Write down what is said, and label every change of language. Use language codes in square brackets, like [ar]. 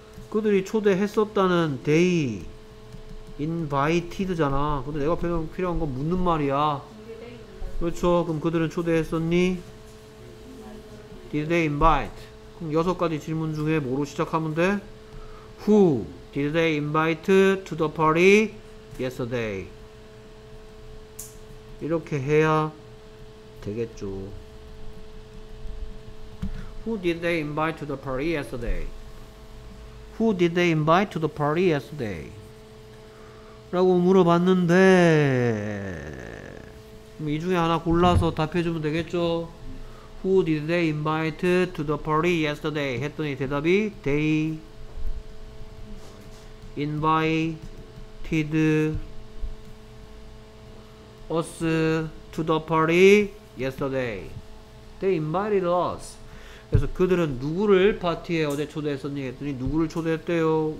[ko] 그들이 초대했었다는 they invited잖아. 근데 내가 필요한 건 묻는 말이야. 그렇죠. 그럼 그들은 초대했었니? [en] Did they invite? [ko] 그럼 여섯 가지 질문 중에 뭐로 시작하면 돼? [en] Who did they invite to the party yesterday? [ko] 이렇게 해야 되겠죠. [en] Who did they invite to the party yesterday? Who did they invite to the party yesterday? [ko] 라고 물어봤는데 이 중에 하나 골라서 답해주면 되겠죠? [en] Who did they invite to the party yesterday? [ko] 했더니 대답이 [en] They invited us to the party yesterday. They invited us. [ko] 그래서 그들은 누구를 파티에 어제 초대했었니 했더니 누구를 초대했대요?